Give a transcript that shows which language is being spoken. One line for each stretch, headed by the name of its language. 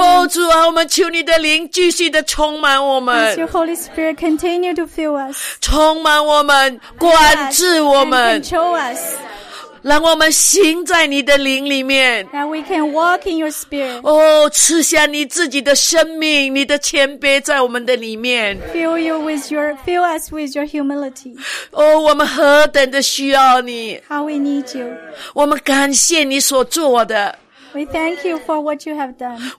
Chinese: 哦，主啊，我们求你的灵继续的充满我们。
English: Yes, your Holy Spirit continue to fill us.
Chinese: 充满我们，管制我们。
English: And control us.
Chinese: 让我们行在你的灵里面。
English: And we can walk in your spirit.
Chinese: 哦，赐下你自己的生命，你的谦卑在我们的里面。
English: Fill us with your humility.
Chinese: 哦，我们何等的需要你。
English: How we need you.
Chinese: 我们感谢你所做的。
English: We thank you for what you have done.